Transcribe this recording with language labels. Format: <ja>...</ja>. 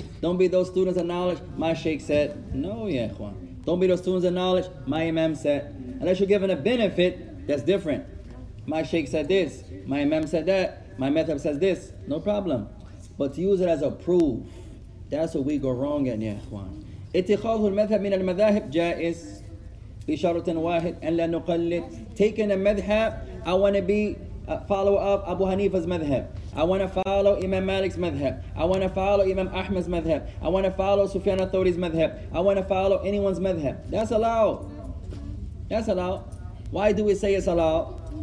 <en>Don't be those students of knowledge, my sheikh said. No, ya ikhwan. Don't be those students of knowledge, my imam said. Unless you're given a benefit, that's different. My sheikh said this, my imam said that, my madhab says this, no problem. But to use it as a proof, that's where we go wrong in, ya ikhwan.</en> <ar>اتخاذ المذهب من المذاهب جائز بشرط واحد أن لا نقلد.</ar> <en>Taking a madhab, I want to be a follower of Abu Hanifa's madhab. I want to follow Imam Malik's madhab. I want to follow Imam Ahmed's madhab. I want to follow Sufyan al-Thawri's madhab. I want to follow anyone's madhab. That's allowed. That's allowed. Why do we say it's allowed?</en>